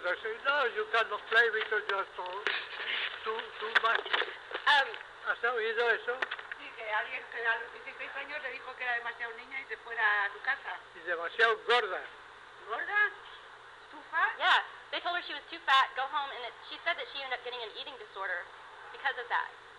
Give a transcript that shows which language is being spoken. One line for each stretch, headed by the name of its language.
English: They say, no, you cannot play because you are too much.
Spanish: ¿Has oído eso? Sí, que alguien que a los 16 años le dijo que era demasiado niña y se fuera a tu casa. Y demasiado gorda. ¿Gorda?
English: ¿Too fat? Yeah, they told her she was too fat, go home, and she said that she ended up getting an eating disorder because of that.